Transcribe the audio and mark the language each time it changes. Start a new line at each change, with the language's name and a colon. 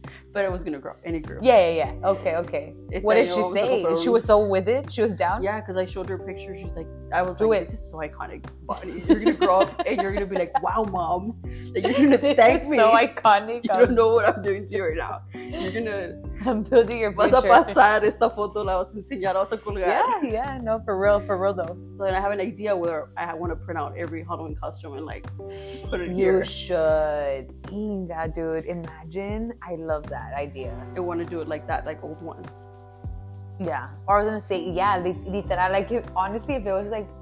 English: But it was going to grow. And it grew. Yeah. Okay. It's what did she say? She was so with it? She was down? Yeah, because I showed her a picture. She's like, I was like, this is so iconic, Bonnie. You're going to grow up and you're going to be like, wow, mom. Like, you're going to thank me. So iconic. You don't know what I'm doing to you right now. You're going to... I'm building your picture.
Spanish: Vas a pasar esta foto, la vas a enseñar, vas a colgar.
English: Yeah, no, for real though. So then I have an idea where I want to print out every Halloween costume and like put it you here. You should. Inga, dude, imagine. I love that idea. I want to do it like that, like old ones. Yeah. Or I was going to say, yeah, literal, like if, honestly, if it was like